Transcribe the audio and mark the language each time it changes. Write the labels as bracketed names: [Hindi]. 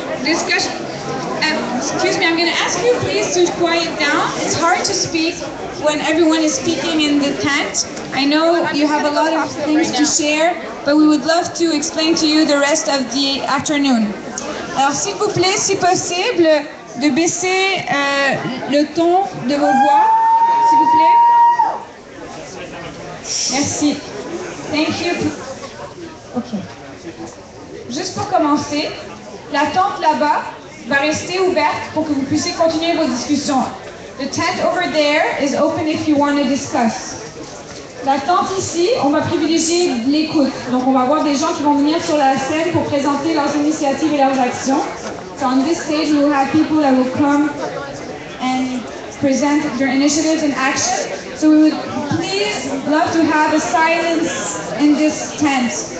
[English] Excuse me, I'm going to ask you please to quiet down. It's hard to speak when everyone is speaking in the tent. I know you have a lot of things to share, but we would love to explain to you the rest of the afternoon. [French] Alors, s'il vous plaît, si possible, de baisser le ton de vos voix, s'il vous plaît. Merci. [English] Thank you. Okay. [French] Juste pour commencer, la tente là-bas va rester ouverte pour que vous puissiez continuer vos discussions. [English] The tent over there is open if you want to discuss. [French] La tente ici, on va privilégier l'écoute. Donc on va avoir des gens qui vont venir sur la scène pour présenter leurs initiatives et leurs actions. [English] So on this stage, we'll have people that will come and present their initiatives and actions. So we would please love to have a silence in this tent.